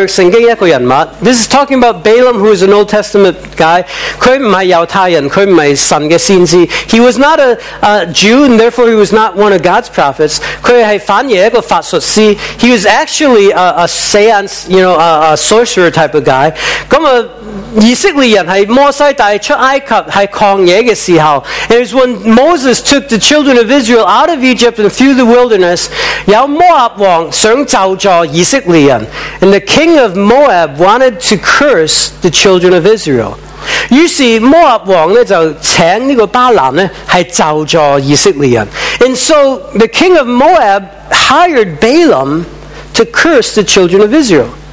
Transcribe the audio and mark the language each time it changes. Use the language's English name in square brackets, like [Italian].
[English] This is talking about Balaam, who is an Old Testament guy. [Chinese] 他不是猶太人，他不是神的先知。 [English] He was not a Jew, and therefore he was not one of God's prophets. [Chinese] 他是反而一个法术师。 [English] He was actually a seance, you know, a sorcerer type of guy. [Chinese] 以色列人是摩西带出埃及在旷野的时候， [English] It was when Moses took the children of Israel out of Egypt and through the wilderness. [Chinese] 有摩押王想咒诅以色列人。 [English] And the king of Moab wanted to curse the children of Israel. [Chinese] 于是摩押王就请巴兰咒诅以色列人。 [English] And so the king of Moab hired Balaam to curse the children of Israel.